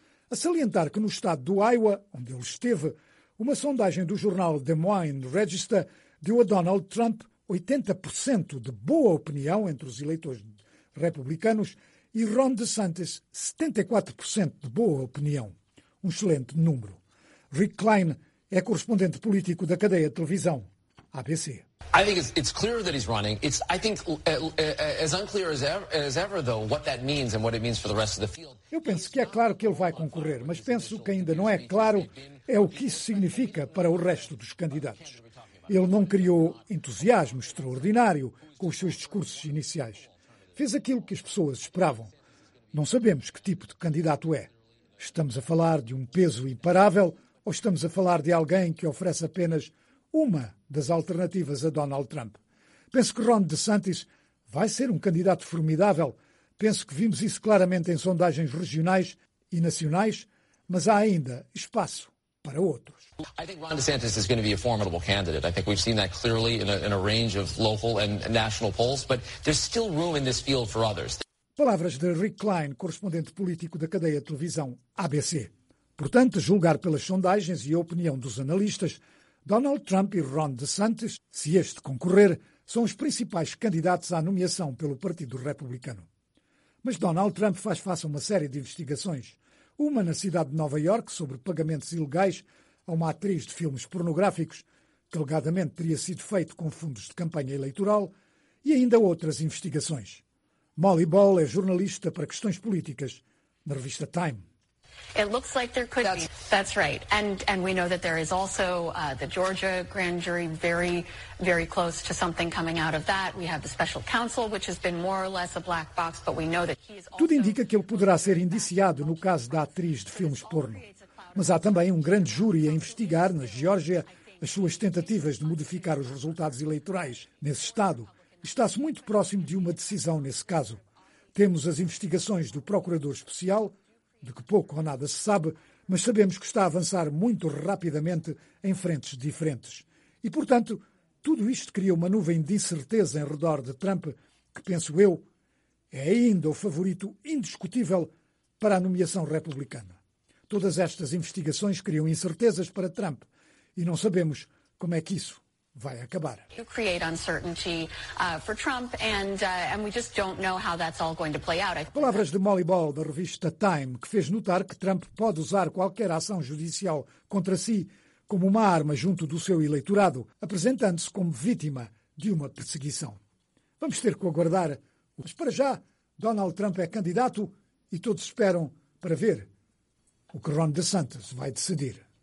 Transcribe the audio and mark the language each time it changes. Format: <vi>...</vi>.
<pt>A salientar que no estado do Iowa, onde ele esteve, uma sondagem do jornal Des Moines Register deu a Donald Trump 80% de boa opinião entre os eleitores republicanos e Ron DeSantis 74% de boa opinião. Um excelente número. Rick Klein é correspondente político da cadeia de televisão ABC.</pt> <en>I think it's clear that he's running. It's I think as unclear as ever though what that means and what it means for the rest of the field.</en> <pt>Eu penso que é claro que ele vai concorrer, mas penso que ainda não é claro é o que isso significa para o resto dos candidatos. Ele não criou entusiasmo extraordinário com os seus discursos iniciais. Fez aquilo que as pessoas esperavam. Não sabemos que tipo de candidato é. Estamos a falar de um peso imparável ou estamos a falar de alguém que oferece apenas uma das alternativas a Donald Trump? Penso que Ron DeSantis vai ser um candidato formidável. Penso que vimos isso claramente em sondagens regionais e nacionais, mas há ainda espaço para outros.</pt> <en>I think Ron DeSantis is going to be a formidable candidate. I think we've seen that clearly in a range of local and national polls, but there's still room in this field for others.</en> <pt>Palavras de Rick Klein, correspondente político da cadeia de televisão ABC. Portanto, a julgar pelas sondagens e a opinião dos analistas, Donald Trump e Ron DeSantis, se este concorrer, são os principais candidatos à nomeação pelo Partido Republicano. Mas Donald Trump faz face a uma série de investigações. Uma na cidade de Nova York sobre pagamentos ilegais a uma atriz de filmes pornográficos, que alegadamente teria sido feito com fundos de campanha eleitoral, e ainda outras investigações. Molly Ball é jornalista para questões políticas na revista Time.</pt> <en>It looks like there could be. That's right. And we know that there is also the Georgia grand jury very, very close to something coming out of that. We have the special counsel, which has been more or less a black box, but we know that he is also...</en> <pt>Tudo indica que ele poderá ser indiciado no caso da atriz de filmes porno. Mas há também um grande júri a investigar, na Geórgia, as suas tentativas de modificar os resultados eleitorais nesse estado. Está-se muito próximo de uma decisão nesse caso. Temos as investigações do procurador especial, de que pouco ou nada se sabe, mas sabemos que está a avançar muito rapidamente em frentes diferentes. E, portanto, tudo isto cria uma nuvem de incerteza em redor de Trump, que, penso eu, é ainda o favorito indiscutível para a nomeação republicana. Todas estas investigações criam incertezas para Trump e não sabemos como é que isso vai acabar.</pt> <en>You create uncertainty for Trump and we just don't know how that's all going to play out.</en> <pt>Palavras de Molly Ball, da revista Time, que fez notar que Trump pode usar qualquer ação judicial contra si como uma arma junto do seu eleitorado, apresentando-se como vítima de uma perseguição. Vamos ter que aguardar. Mas para já, Donald Trump é candidato e todos esperam para ver o que Ron DeSantis vai decidir.</pt>